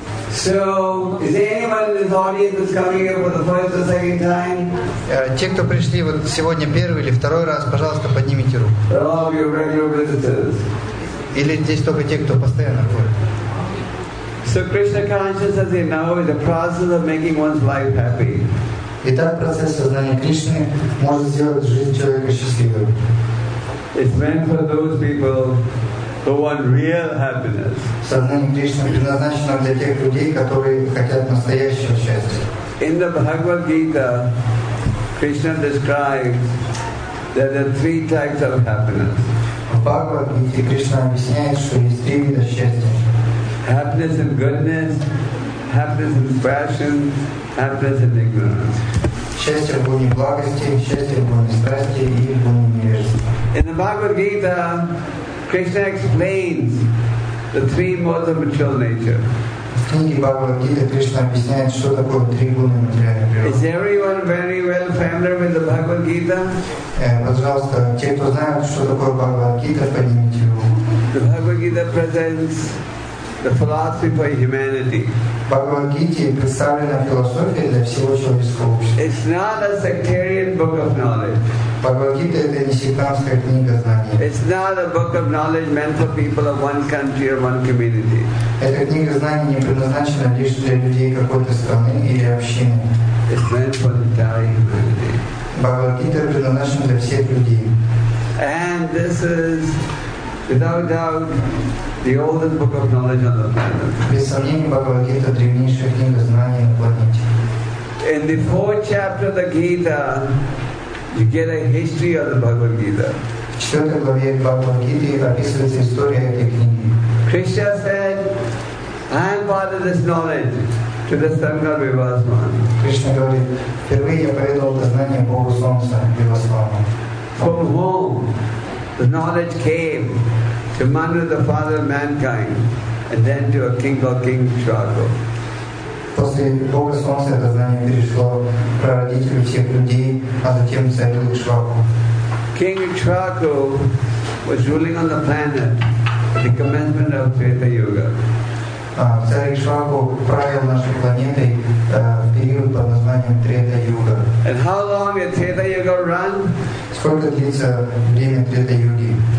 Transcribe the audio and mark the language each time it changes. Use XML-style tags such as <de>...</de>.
<en>So, is there anyone in this audience that's coming here for the first or second time?</en> <ru>Те, кто пришли вот сегодня первый или второй раз, пожалуйста, поднимите руку.</ru> <en>All of your regular visitors.</en> <ru>Или здесь только те, кто постоянно ходит.</ru> <en>So Krishna consciousness, as you know, is the process of making one's life happy.</en> <ru>Итак, процесс сознания Кришны может сделать жизнь человека счастливым.</ru> <en>It's meant for those people who want real happiness.</en> <ru>Сознание Кришны предназначено для тех людей, которые хотят настоящего счастья.</ru> <en>In the Bhagavad Gita, Krishna describes that there are three types of happiness.</en> <ru>В Бхагавад-гите Кришна объясняет, что есть три вида счастья.</ru> <en>Happiness in goodness, happiness in passion, happiness in ignorance.</en> <ru>Счастье в гуне благости, счастье в гуне страсти и в гуне невежества.</ru> <en>In the Bhagavad Gita, Krishna explains the three modes of material nature.</en> <ru>В книге Бхагавад Гита Кришна объясняет, что такое три гуны материальной природы.</ru> <en>Is everyone very well familiar with the Bhagavad Gita?</en> <ru>Пожалуйста, те, кто знает, что такое Бхагавад Гита, поднимите руку.</ru> <en>The Bhagavad Gita presents the philosophy for humanity.</en> <ru>Bhagavad Gita представлена философия для всего человеческого общества.</ru> <en>It's not a sectarian book of knowledge.</en> <ru>Bhagavad Gita это не сектантская книга знаний.</ru> <en>It's not a book of knowledge meant for people of one country or one community.</en> <ru>Эта книга знаний не предназначена лишь для людей какой-то страны или общины.</ru> <en>It's meant for the entire humanity.</en> <ru>Bhagavad Gita предназначена для всех людей.</ru> <en>And this is, without doubt, the oldest book of knowledge on the planet.</en> <ru>Без сомнения, Бхагавад Гита древнейшая книга знаний на планете.</ru> <en>In the fourth chapter of the Gita, you get a history of the Bhagavad Gita.</en> <ru>В четвертой главе Бхагавад Гиты описывается история этой книги.</ru> <en>Krishna said, "I imparted this knowledge to the Sangha Vivasvan."</en> <ru>Кришна говорит, впервые я передал это знание Богу Солнца Вивасвану.</ru> <en>From whom the knowledge came? To Manu, the father of mankind, and then to a king called King Shrago.</en> <ru>После Бога Солнца это знание перешло прародителю всех людей, а затем царю Шраку.</ru> <en>King Shrago was ruling on the planet at the commencement of Treta Yuga.</en> <ru>Царь Шраку правил нашей планетой в период под названием Трета Юга.</ru> <en>And how long did Трета Юга run?</en> <ru>Сколько длится время Трета Юги?</ru>